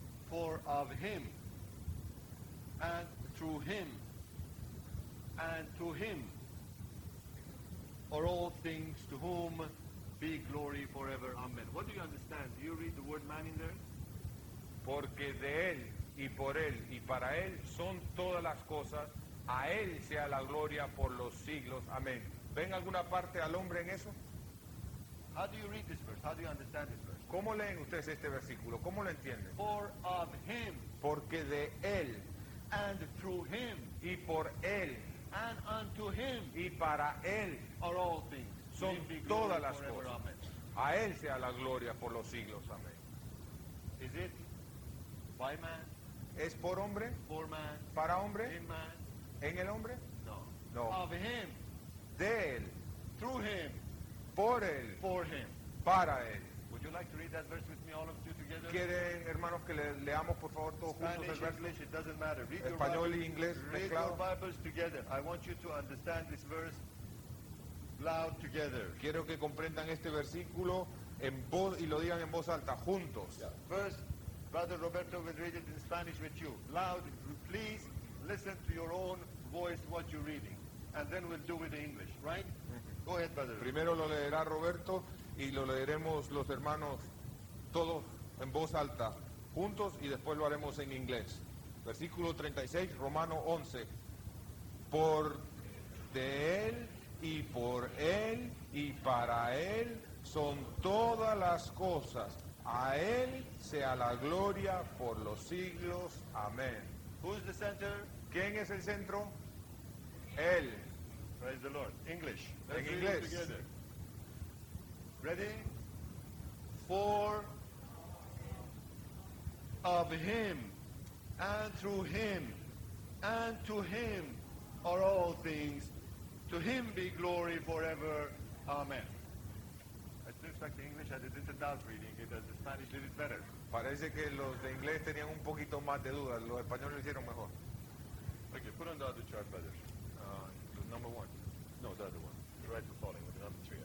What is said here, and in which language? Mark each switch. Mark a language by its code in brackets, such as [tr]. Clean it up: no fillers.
[en] For of him and through him and to him are all things, to whom be glory forever. Amen. What do you understand? Do you read the word man in there? [es] Porque de él y por él y para él son todas las cosas, a él sea la gloria por los siglos. Amen. ¿Ven alguna parte al hombre en eso? [en] How do you read this verse? How do you understand this verse? [es] ¿Cómo leen ustedes este versículo? ¿Cómo lo entienden? [en] For of him. [es] Porque de él. [en] And through him. [es] Y por él. [en] And unto him. [es] Y para él. [en] Are all things. [es] Son todas las cosas. Amen. A él sea la gloria por los siglos. Amén. [en] Is it by man? [es] ¿Es por hombre? [en] For man. [es] ¿Para hombre? [en] In man. [es] ¿En el hombre? [en] No. [es] No. [en] Of him. [es] De él. [en] Through him. [es] Por él. [en] For him. [es] Para él. [en] Would you like to read that verse with me, all of you together? [es] ¿Quieren, hermanos, que leamos, por favor, todos [en] Spanish, [es] juntos el verso? [en] English, it doesn't matter. Read [es] español y inglés, [en] read [es] mezclado. [en] Your Bibles together. I want you to understand this verse loud together. [es] Quiero que comprendan este versículo en voz y lo digan en voz alta, juntos. [en] Yeah. First, Brother Roberto will read it in Spanish with you. Loud, please listen to your own voice what you're reading. And then we'll do with the English, right? Go ahead, brother. [es] Primero lo leerá Roberto y lo leeremos los hermanos todos en voz alta, juntos, y después lo haremos en inglés. Versículo 36, Romano 11. Por de él y por él y para él son todas las cosas. A él sea la gloria por los siglos. Amén. [en] Who's the center? [es] ¿Quién es el centro? Él. [en] Praise the Lord. English. Let's read it together. Ready? for of him and through him and to him are all things. To him be glory forever. Amen. It looks like the English had a disadvantage reading it as the Spanish did it better. [es] Parece que los de inglés tenían un poquito más de dudas. Los españoles lo hicieron mejor. [en] Okay, put on the other chart, brother. Number one. No, the other one. The red for falling with the number three.